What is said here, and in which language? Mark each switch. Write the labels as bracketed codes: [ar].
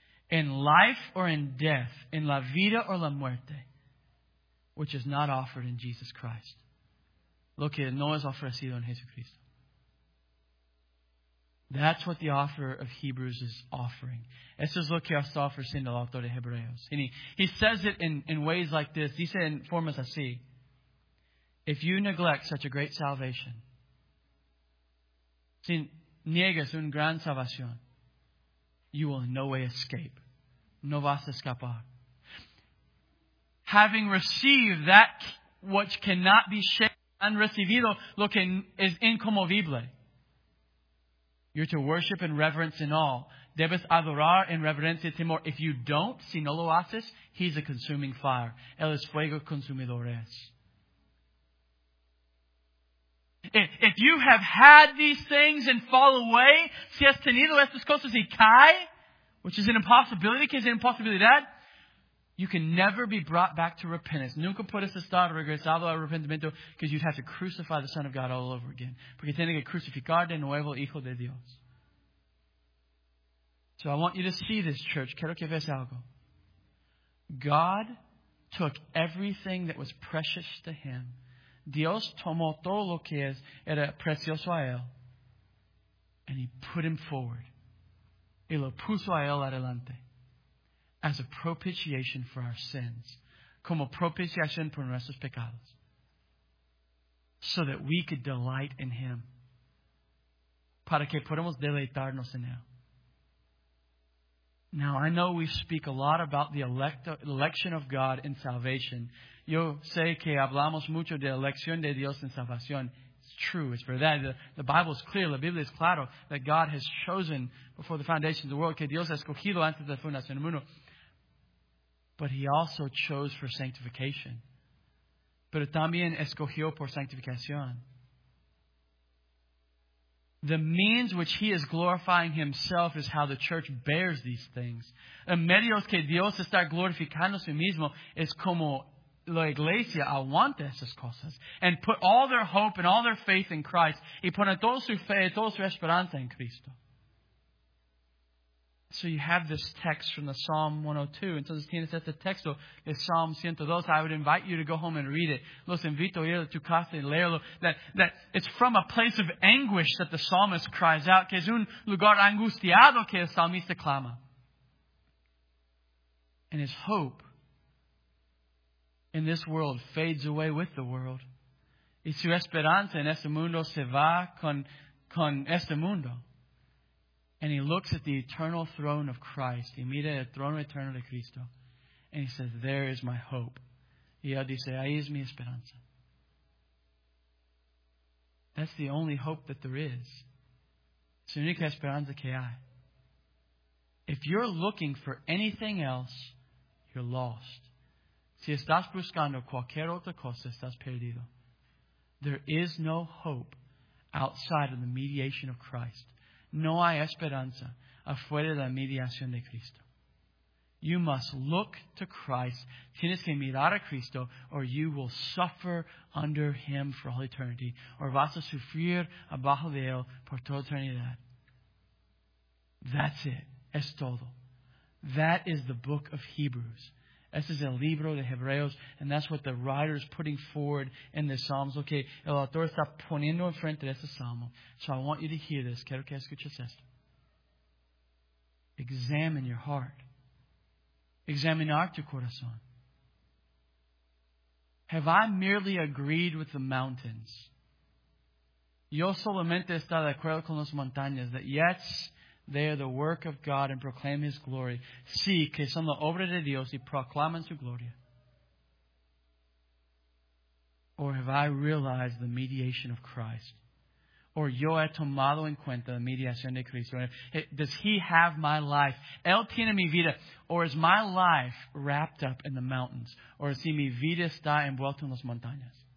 [en] In life or in death, in [es] la vida [en] or [es] la muerte, [en] which is not offered in Jesus Christ. [es] Lo que no es ofrecido en Jesucristo. [en] That's what the author of Hebrews is offering. [es] Eso es lo que está ofreciendo el autor de Hebreos. [en] And he says it in ways like this. [es] Dice en formas así. [en] If you neglect such a great salvation, [es] si niegas una gran salvación, [en] you will in no way escape. [es] No vas a escapar. [en] Having received that which cannot be shaken, and [es] recibido lo que es incomovible, [en] you're to worship in reverence in all. [es] Debes adorar en reverencia y temor. [en] If you don't, [es] si no lo haces, [en] He's a consuming fire. [es] El es fuego consumidor es. [en] If you have had these things and fall away, [es] si has tenido estas cosas y cae, [en] which is an impossibility, [es] que es an impossibilidad, [en] you can never be brought back to repentance. [es] Nunca puedes estar regresado al arrepentimiento [en] because you'd have to crucify the Son of God all over again. [es] Porque tiene que crucificar de nuevo el Hijo de Dios. [en] So I want you to see this, church. [es] Quiero que veas algo. [en] God took everything that was precious to Him. [es] Dios tomó todo lo que era precioso a Él. [en] And He put Him forward. [es] Y lo puso a Él adelante. [en] As a propitiation for our sins. [es] Como propiciación por nuestros pecados. [en] So that we could delight in Him. [es] Para que podamos deleitarnos en Él. [en] Now, I know we speak a lot about the election of God in salvation. [es] Yo sé que hablamos mucho de elección de Dios en salvación. [en] It's true. It's for that. The Bible is clear. [es] La Biblia es claro [en] that God has chosen before the foundation of the world. [es] Que Dios ha escogido antes de la fundación del mundo. [en] But He also chose for sanctification. [es] Pero también escogió por sanctificación. [en] The means which he is glorifying himself is how the church bears these things. [es] El medio que Dios está glorificando a sí mismo es como la iglesia aguanta esas cosas. [en] And put all their hope and all their faith in Christ. [es] Y ponen toda su fe y toda su esperanza en Cristo. [en] So you have this text from the Psalm 102. [es] Entonces tienes este texto de [en] Psalm 102. I would invite you to go home and read it. [es] Los invito a ir a tu casa y leerlo. [en] That it's from a place of anguish that the psalmist cries out. [es] Que es un lugar angustiado que el salmista clama. [en] And his hope in this world fades away with the world. [es] Y su esperanza en este mundo se va con este mundo. [en] And he looks at the eternal throne of Christ. [es] Y mira el trono eterno de Cristo. [en] And he says, there is my hope. [es] Y él dice, ahí es mi esperanza. [en] That's the only hope that there is. [es] Es la única esperanza que hay. [en] If you're looking for anything else, you're lost. [es] Si estás buscando cualquier otra cosa, estás perdido. [en] There is no hope outside of the mediation of Christ. [es] No hay esperanza afuera de la mediación de Cristo. [en] You must look to Christ. [es] Tienes que mirar a Cristo [en] or you will suffer under him for all eternity. [es] Or vas a sufrir abajo de él por toda eternidad. [en] That's it. [es] Es todo. [en] That is the book of Hebrews. [es] Este es el libro de Hebreos. [en] And that's what the writer is putting forward in the Psalms. [es] Okay, el autor está poniendo enfrente de este Salmo. [en] So I want you to hear this. [es] Quiero que escuches esto. [en] Examine your heart. [es] Examinar tu corazón. [en] Have I merely agreed with the mountains? [es] Yo solamente estaba de acuerdo con las montañas. [en] That yes, they are the work of God and proclaim His glory. [es] Sí, que son la obra de Dios y proclaman su gloria. [en] Or have I realized the mediation of Christ? [es] Or yo he tomado en cuenta la mediación de Cristo? [en] Does He have my life? [es] Él tiene mi vida. [en] Or is my life wrapped up in the mountains? [es] Or si mi vida está envuelta en las montañas?